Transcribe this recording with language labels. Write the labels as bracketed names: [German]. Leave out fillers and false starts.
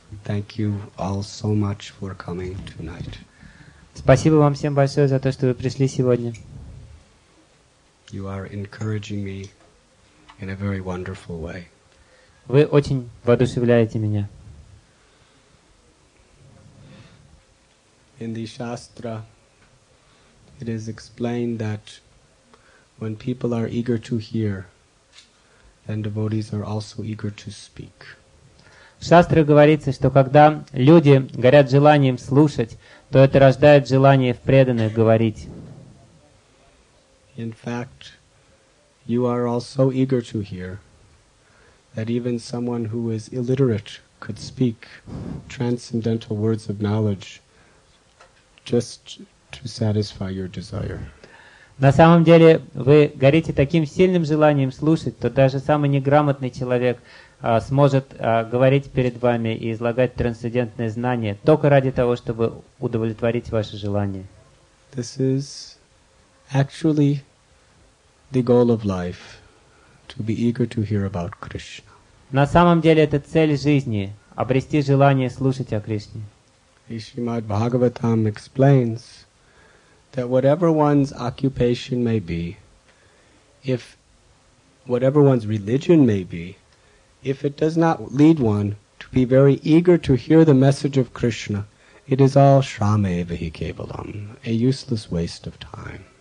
[English] Thank you all so much for coming tonight. [Russian] Спасибо вам всем большое за то, что вы пришли сегодня. [English] You are encouraging me in a very wonderful way. [Russian] Вы очень воодушевляете меня. [English] In the Shastra, it is explained that when people are eager to hear, then devotees are also eager to speak. [Russian] В шастре говорится, что когда люди горят желанием слушать, то это рождает желание в преданных говорить. [English] In fact, you are all so eager to hear that even someone who is illiterate could speak transcendental words of knowledge just to satisfy your desire. [Russian] На самом деле, вы горите таким сильным желанием слушать, то даже самый неграмотный человек сможет говорить перед вами и излагать трансцендентные знания только ради того, чтобы удовлетворить ваше желание. [English] This is actually the goal of life, to be eager to hear about Krishna. [Russian] На самом деле, это цель жизни — обрести желание слушать о Кришне. И [English] Шримад Бхагаватам explains that whatever one's occupation may be, if whatever one's religion may be, if it does not lead one to be very eager to hear the message of Krishna, it is all [Sanskrit] shrameva hi kevalam, [English] a useless waste of time.